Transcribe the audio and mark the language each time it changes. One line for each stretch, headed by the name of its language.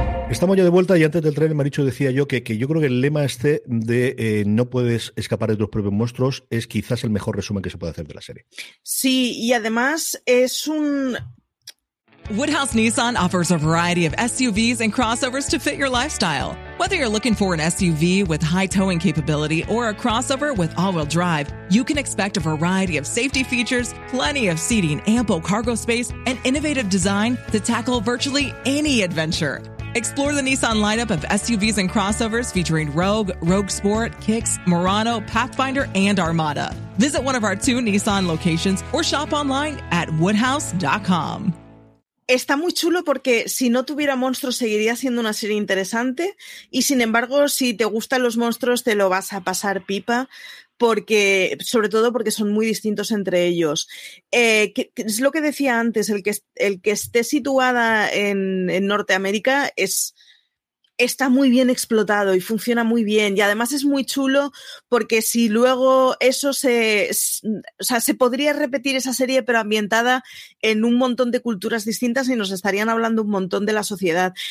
Spanish: Estamos ya de vuelta y antes del tráiler Mericho decía yo que yo creo que el lema este de no puedes escapar de tus propios monstruos es quizás el mejor resumen que se puede hacer de la serie. Sí, y además es un...
English: Woodhouse Nissan offers a variety of SUVs and crossovers to fit your lifestyle. Whether you're looking for an SUV with high towing capability or a crossover with all-wheel drive, you can expect a variety of safety features, plenty of seating, ample cargo space, and innovative design to tackle virtually any adventure. Explore the Nissan lineup of SUVs and crossovers featuring Rogue, Rogue Sport, Kicks, Murano, Pathfinder, and Armada. Visit one of our two Nissan locations or shop online at woodhouse.com.
Spanish: Está muy chulo porque si no tuviera monstruos seguiría siendo una serie interesante y sin embargo si te gustan los monstruos te lo vas a pasar pipa porque sobre todo porque son muy distintos entre ellos. Es lo que decía antes, el que esté situada en Norteamérica está muy bien explotado y funciona muy bien y además es muy chulo porque si luego eso se podría repetir esa serie pero ambientada en un montón de culturas distintas y nos estarían hablando un montón de la sociedad.